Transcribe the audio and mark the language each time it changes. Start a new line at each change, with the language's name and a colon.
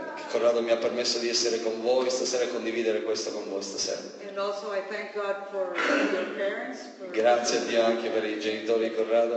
Italian: Corrado mi ha permesso di essere con voi stasera e condividere questo con voi stasera.
English: And also I thank God for your parents.
Italian: Grazie a Dio anche per i genitori di Corrado